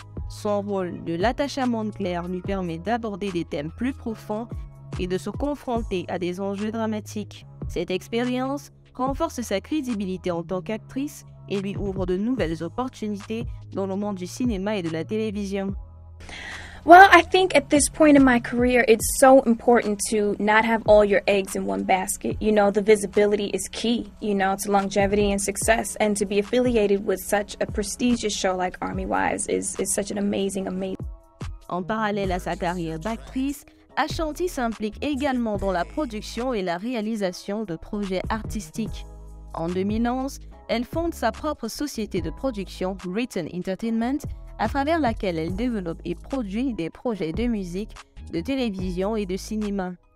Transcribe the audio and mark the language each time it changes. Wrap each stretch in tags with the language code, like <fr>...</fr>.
<fr>Son rôle de Latasha Montclair lui permet d'aborder des thèmes plus profonds et de se confronter à des enjeux dramatiques. Cette expérience renforce sa crédibilité en tant qu'actrice et lui ouvre de nouvelles opportunités dans le monde du cinéma et de la télévision.</fr> <en>Well, I think at this point in my career, it's so important to not have all your eggs in one basket. You know, the visibility is key, you know, to longevity and success. And to be affiliated with such a prestigious show like Army Wives is such an amazing, amazing.</en> <fr>En parallèle à sa carrière d'actrice, Ashanti s'implique également dans la production et la réalisation de projets artistiques. En 2011, elle fonde sa propre société de production, Written Entertainment, à travers laquelle elle développe et produit des projets de musique, de télévision et de cinéma.</fr>